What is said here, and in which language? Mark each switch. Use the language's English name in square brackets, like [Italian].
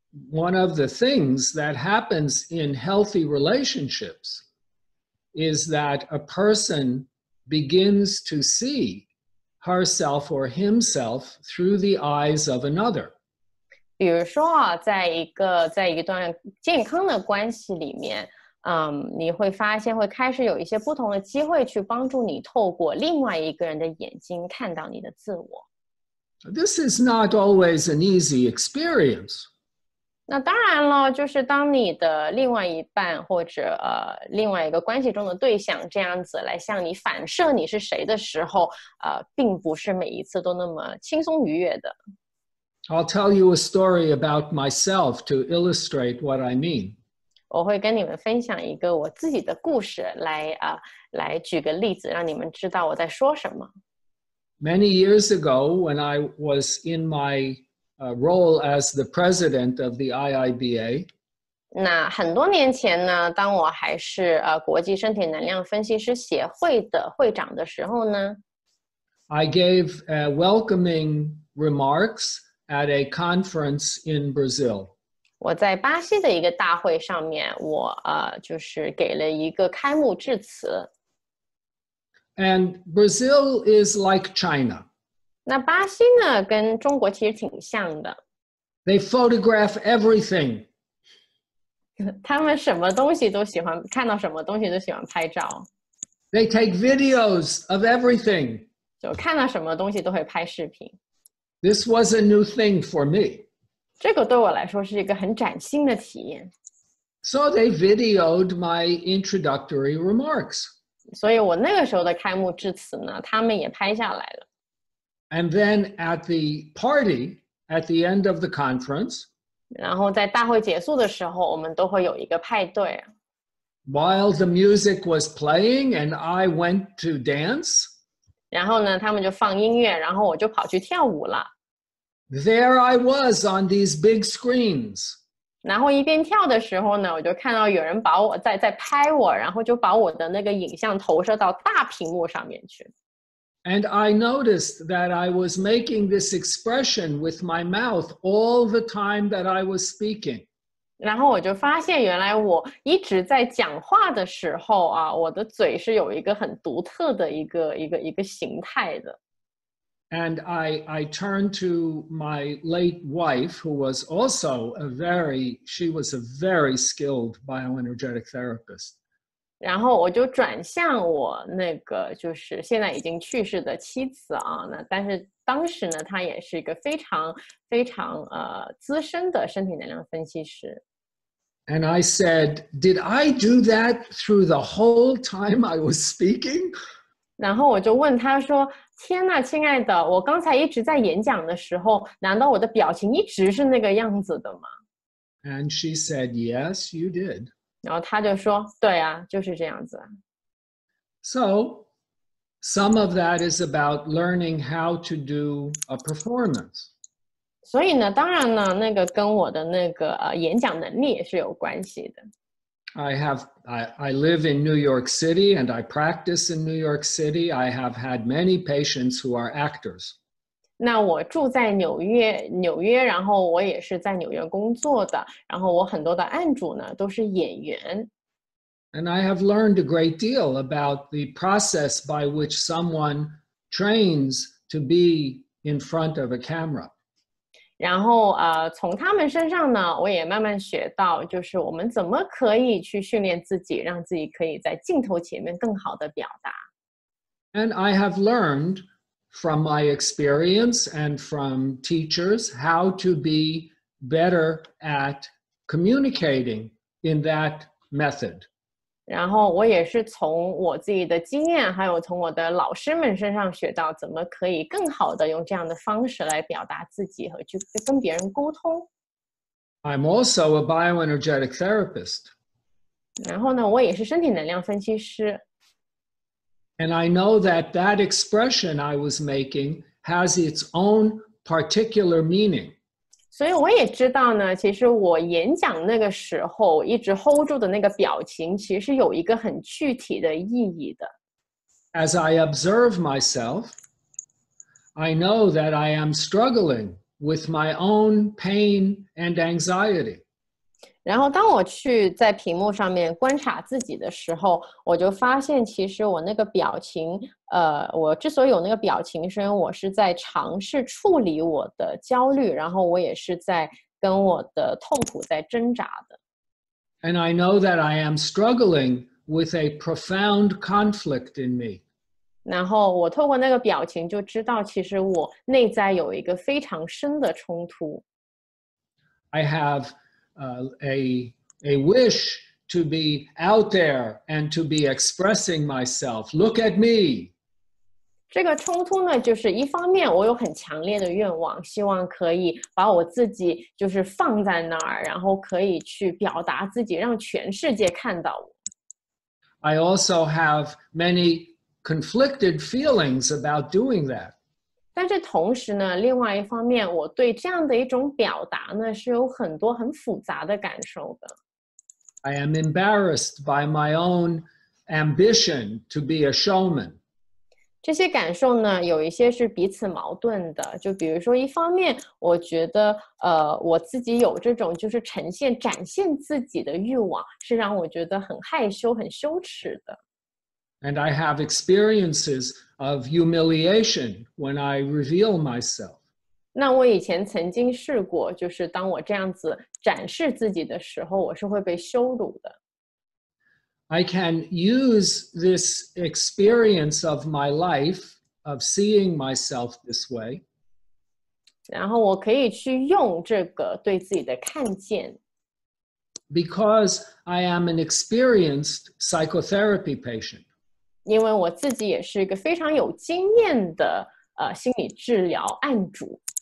[English] One of the things that happens in healthy relationships is that a person begins to see herself or himself through the eyes of another. [Chinese] 比如说啊，在一段健康的关系里面，你会发现会开始有一些不同的机会去帮助你透过另外一个人的眼睛看到你的自我。 [English] This is not always an easy experience. [Chinese] 那当然了，就是当你的另外一半或者另外一个关系中的对象这样子来向你反射你是谁的时候，并不是每一次都那么轻松愉悦的。 [English] I'll tell you a story about myself to illustrate what I mean. [Chinese] 我会跟你们分享一个我自己的故事来举个例子让你们知道我在说什么。 [English] Many years ago, when I was in my role as the president of the IIBA, [Chinese] 那很多年前呢当我还是国际身体能量分析师协会的会长的时候呢 [English] I gave welcoming remarks,at a conference in Brazil. [Chinese] 我在巴西的一个大会上面我就是给了一个开幕致辞。 [English] And Brazil is like China. [Chinese] 那巴西呢跟中国其实挺像的。 [English] They photograph everything. [Chinese] 他们什么东西都喜欢看到什么东西都喜欢拍照。 [English] They take videos of everything. [Chinese] 就看到什么东西都会拍视频。 [English] This was a new thing for me. [Chinese] 这个对我来说是一个很崭新的体验。 [English] So they videoed my introductory remarks. [Chinese] 所以我那个时候的开幕致辞呢，他们也拍下来了。 [English] And then at the party, at the end of the conference, [Chinese] 然后在大会结束的时候，我们都会有一个派对。 [English] While the music was playing and I went to dance, [Chinese] 然后呢，他们就放音乐，然后我就跑去跳舞了。 [English] There I was on these big screens. [Chinese] 然后一边跳的时候呢，我就看到有人把我在拍我，然后就把我的那个影像投射到大屏幕上面去。 [English] And I noticed that I was making this expression with my mouth all the time that I was speaking. [Chinese] 然后我就发现原来我一直在讲话的时候啊，我的嘴是有一个很独特的一个形态的。 [English] And I turned to my late wife, who was also a very skilled bioenergetic therapist. [Chinese] 然后我就转向我那个就是现在已经去世的妻子啊，那但是当时呢，她也是一个非常非常资深的身体能量分析师。 [English] And I said, "Did I do that through the whole time I was speaking?" [Chinese] 然后我就问她说。天哪，亲爱的，我刚才一直在演讲的时候，难道我的表情一直是那个样子的吗？ [English] And she said, yes, you did. [Chinese] 然后她就说，对啊，就是这样子。 [English] So, some of that is about learning how to do a performance. [Chinese] 所以呢，当然呢，那个跟我的那个演讲能力也是有关系的。 [English] I live in New York City and I practice in New York City. I have had many patients who are actors. [Chinese] 那我住在纽约，然后我也是在纽约工作的，然后我很多的案主呢都是演员。 [English] And I have learned a great deal about the process by which someone trains to be in front of a camera. [Chinese] 然后从他们身上呢，我也慢慢学到，就是我们怎么可以去训练自己，让自己可以在镜头前面更好的表达。 [English] And I have learned from my experience and from teachers how to be better at communicating in that method. [Chinese] 然后我也是从我自己的经验，还有从我的老师们身上学到怎么可以更好的用这样的方式来表达自己和去跟别人沟通。 [English] I'm also a bioenergetic therapist. [Chinese] 然后呢，我也是身体能量分析师。 [English] And I know that that expression I was making has its own particular meaning. [Chinese] 所以我也知道呢，其实我演讲那个时候一直 hold 住的那个表情其实有一个很具体的意义的。 [English] As I observe myself, I know that I am struggling with my own pain and anxiety. [Chinese] 然后当我去在屏幕上面观察自己的时候，我就发现其实我那个表情我之所以有那个表情，是因为我是在尝试处理我的焦虑，然后我也是在跟我的痛苦在挣扎的。 [English] And I know that I am struggling with a profound conflict in me. [Chinese] 然后我透过那个表情就知道其实我内在有一个非常深的冲突。 [English] I have a wish to be out there and to be expressing myself. Look at me. [Chinese] 这个冲突呢，就是一方面我有很强烈的愿望，希望可以把我自己就是放在那儿，然后可以去表达自己，让全世界看到我。 [English] I also have many conflicted feelings about doing that. [Chinese] 但是同时呢，另外一方面，我对这样的一种表达呢，是有很多很复杂的感受的。 [English] I am embarrassed by my own ambition to be a showman. [Chinese] 这些感受呢，有一些是彼此矛盾的。就比如说，一方面我觉得，我自己有这种就是呈现、展现自己的欲望，是让我觉得很害羞、很羞耻的。 [English] And I have experiences of humiliation when I reveal myself. [Chinese] 那我以前曾经试过，就是当我这样子展示自己的时候，我是会被羞辱的。 [English] I can use this experience of my life, of seeing myself this way. [Chinese] 然后我可以去用这个对自己的看见。 [English] Because I am an experienced psychotherapy patient. [Chinese] 因为我自己也是一个非常有经验的心理治疗案主。